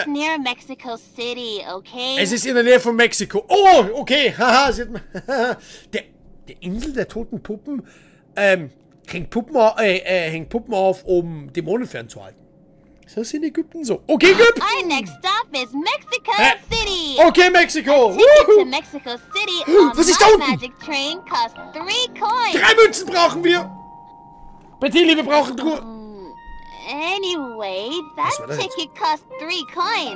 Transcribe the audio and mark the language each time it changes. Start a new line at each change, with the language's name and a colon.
English: It's near Mexico City, okay?
German: Es ist in der Nähe von Mexiko. Oh, okay. Haha, sieht man. Der Insel der toten Puppen, hängt Puppen auf, um Dämonen fernzuhalten. Ist das in Ägypten so? Okay, gut.
English: Our next stop is Mexico City.
German: Okay, Mexiko. Mexico City. Was ist da unten?
English: Magic train costs 3 coins.
German: 3 Münzen brauchen wir. Bettini, wir brauchen...
English: Anyway, that ticket cost 3 coins.